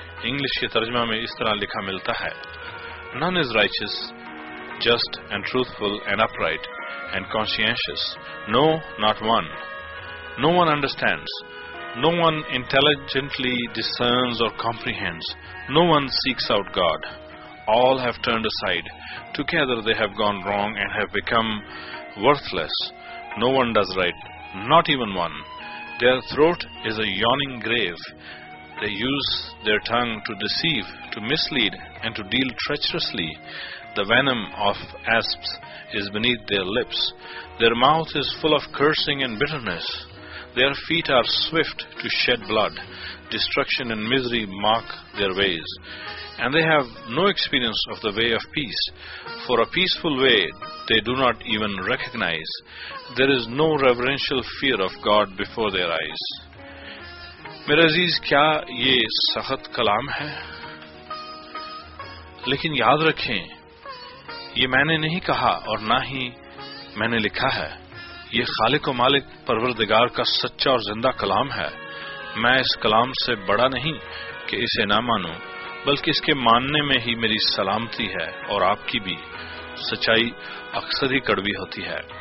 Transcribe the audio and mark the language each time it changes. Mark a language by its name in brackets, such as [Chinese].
[Urdu] English کے ترجمہ میں اس طرح لکھا ملتا ہے، [English] None is righteous, just and truthful and upright and conscientious, no not one, no one understands, No one intelligently discerns or comprehends. No one seeks out God. All have turned aside. Together they have gone wrong and have become worthless. No one does right. Not even one. Their throat is a yawning grave. They use their tongue to deceive, to mislead, and to deal treacherously. The venom of asps is beneath their lips. Their mouth is full of cursing and bitterness. Their feet are swift to shed blood. Destruction and misery mark their ways. And they have no experience of the way of peace. For a peaceful way they do not even recognize. There is no reverential fear of God before their eyes. [Urdu] میرے عزیز، کیا یہ سخت کلام ہے؟ لیکن یاد رکھیں، یہ میں نے نہیں کہا اور نہ ہی میں نے لکھا ہے، یہ خالق و مالک پروردگار کا سچا اور زندہ کلام ہے۔ میں اس کلام سے بڑا نہیں کہ اسے نہ مانوں، بلکہ اس کے ماننے میں ہی میری سلامتی ہے اور آپ کی بھی۔ سچائی اکثر ہی کڑوی ہوتی ہے،